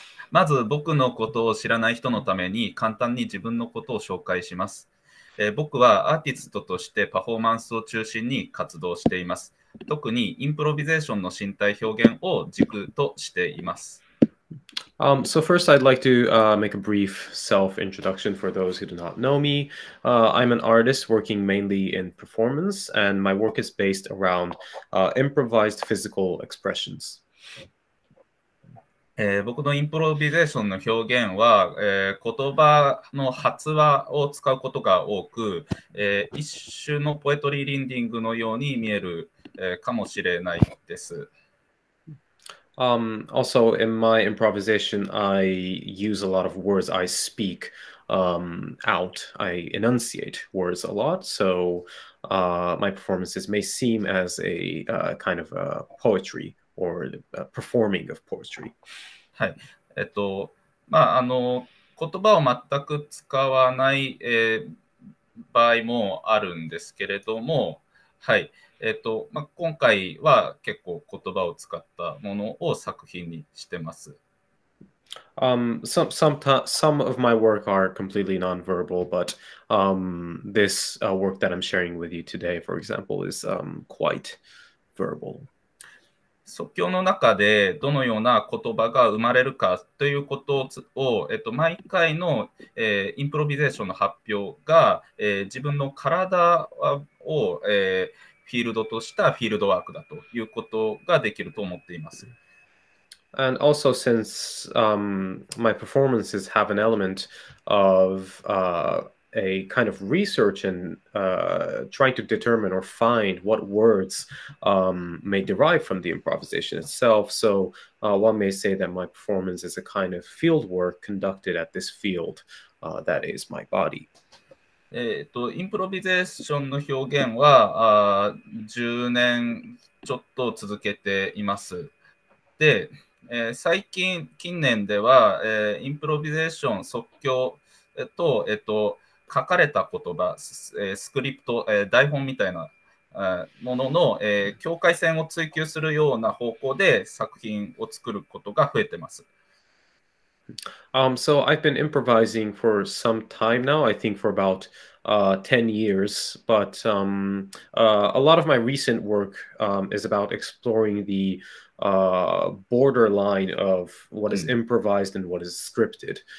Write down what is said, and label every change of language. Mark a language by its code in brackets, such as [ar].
[ja] まず僕のことを知らない人のために簡単に自分のことを紹介します。僕はアーティストとしてパフォーマンスを中心に活動しています。特にインプロビゼーションの身体表現を軸としています。 [en] So first, I'd like to make a brief self-introduction for those who do not know me. I'm an artist working mainly in performance, and my work is based around improvised physical expressions. [ja] 僕のインプロビゼーションの表現は、言葉の発話を使うことが多く、一種のポエトリーリンディングのように見える、かもしれないです。 [en] Also, in my improvisation, I use a lot of words. I speak out. I enunciate words a lot. So, my performances may seem as a kind of a poetry or a performing of poetry. [ja] はい。まあ、言葉を全く使わない、場合もあるんですけれども、はい。まあ、今回は結構言葉を使ったものを作品にしてます。 [en] Some of my work are completely non-verbal, but this work that I'm sharing with you today, for example, is quite verbal. [ja] 即興の中でどのような言葉が生まれるかということを、毎回の、インプロビゼーションの発表が、自分の体を、フィールドとしたフィールドワークだということができると思っています。 [en] And also since my performances have an element of a kind of research and trying to determine or find what words may derive from the improvisation itself, so one may say that my performance is a kind of field work conducted at this field that is my body. [ja] インプロビゼーションの表現は10年ちょっと続けています。で、最近、近年では、インプロビゼーション、即興と、書かれた言葉、スクリプト、台本みたいなものの、境界線を追求するような方向で作品を作ることが増えています。 [en] So I've been improvising for some time now, I think for about 10 years, but a lot of my recent work is about exploring the borderline of what is improvised and what is scripted.